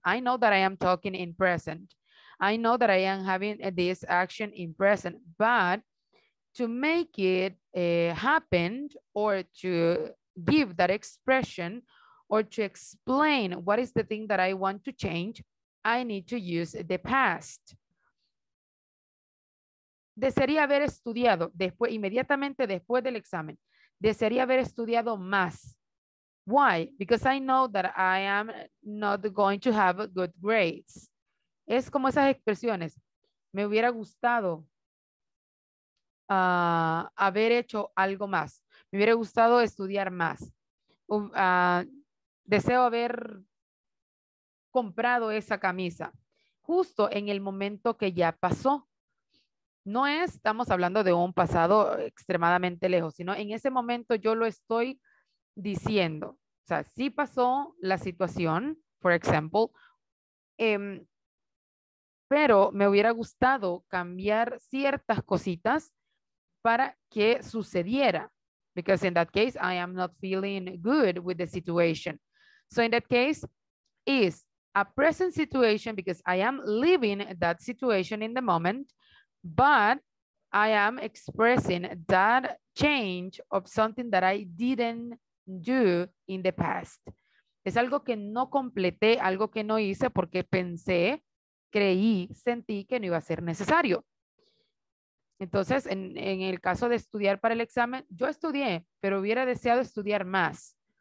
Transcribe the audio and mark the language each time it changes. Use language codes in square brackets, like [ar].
[en] I know that I am talking in present. I know that I am having this action in present, but to make it happen or to give that expression or to explain what is the thing that I want to change, I need to use the past. [es] Desearía haber estudiado después, inmediatamente después del examen. Desearía haber estudiado más. [en] Why? Because I know that I am not going to have good grades. [es] Es como esas expresiones. Me hubiera gustado haber hecho algo más. Me hubiera gustado estudiar más. Deseo haber comprado esa camisa justo en el momento que ya pasó. No estamos hablando de un pasado extremadamente lejos, sino en ese momento yo lo estoy diciendo. O sea, sí pasó la situación, [en] for example, [es] pero me hubiera gustado cambiar ciertas cositas para que sucediera. [en] Because in that case, I am not feeling good with the situation. So in that case, is a present situation because I am living that situation in the moment, but I am expressing that change of something that I didn't do in the past. [es] Es algo que no completé, algo que no hice porque pensé, creí, sentí que no iba a ser necesario. Entonces, en el caso de estudiar para el examen, yo estudié, pero hubiera deseado estudiar más.